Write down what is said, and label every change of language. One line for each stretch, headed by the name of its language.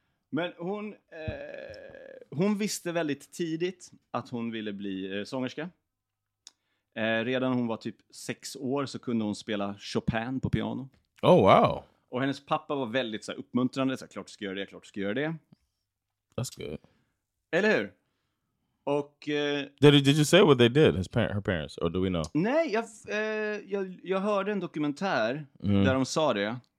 Swedish: Men hon hon visste väldigt tidigt att hon ville bli sångerska. Redan hon var typ 6 år så kunde hon spela Chopin på piano.
English: Oh wow.
Swedish: Och hennes pappa var väldigt så här, uppmuntrande. Så här, klart du ska göra det, klart du ska göra det.
English: That's good.
Swedish: Eller hur? Och...
English: Did you say what they did, her parents? Or do we know?
Swedish: Nej, jag hörde en dokumentär där de sa det.